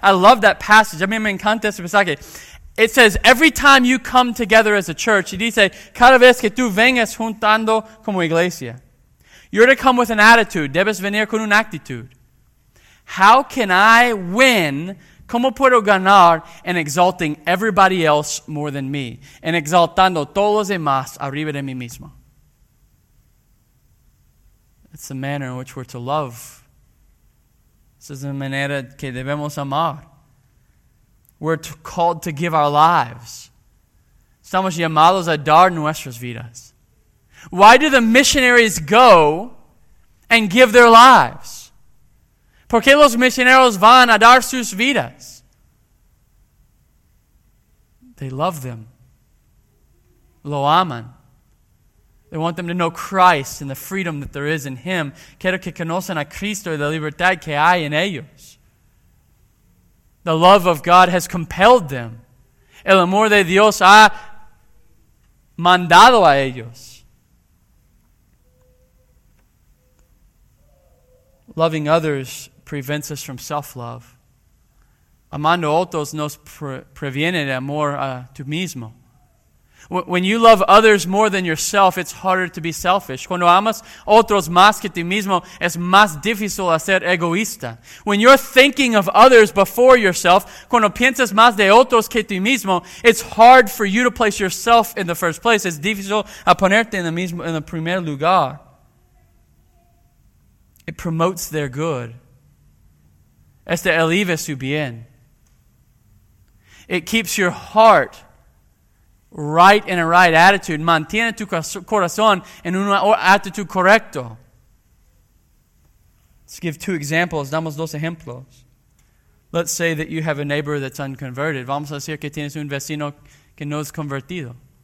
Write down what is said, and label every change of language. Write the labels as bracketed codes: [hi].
[en] I love that passage. [es] A mí me encanta ese pasaje. [en] It says, every time you come together as a church, [es] he dice, cada vez que tú vengas juntando como iglesia, [en] you're to come with an attitude. [es] Debes venir con una actitud. [en] How can I win? [es] ¿Cómo puedo ganar en [en] exalting everybody else more than me? [es] En exaltando todos los demás arriba de mí mismo. It's the manner in which we're to love. This is the manera que debemos amar. [en] We're called to give our lives. [es] Estamos llamados a dar nuestras vidas. [en] Why do the missionaries go and give their lives? [es] ¿Por qué los misioneros van a dar sus vidas? [en] They love them. [es] Lo aman. [en] They want them to know Christ and the freedom that there is in Him. [es] Quiero que conozcan a Cristo y la libertad que hay en ellos. [en] The love of God has compelled them. [es] El amor de Dios ha mandado a ellos. [en] Loving others prevents us from self-love. [es] Amando otros nos previene de amor a tu mismo. [en] When you love others more than yourself, it's harder to be selfish. [es] Cuando amas otros más que ti mismo, es más difícil ser egoísta. [en] When you're thinking of others before yourself, [es] cuando piensas más de otros que ti mismo, [en] it's hard for you to place yourself in the first place. [es] Es difícil a ponerte en el primer lugar. [en] It promotes their good. [es] Este eleva su bien. [en] It keeps your heart right in a right attitude. [es] Mantiene tu corazón en una actitud correcta. [en] Let's give two examples. [es] Damos dos ejemplos. [en] Let's say that you have a neighbor that's unconverted. [es] Vamos a decir que tienes un vecino que no es convertido.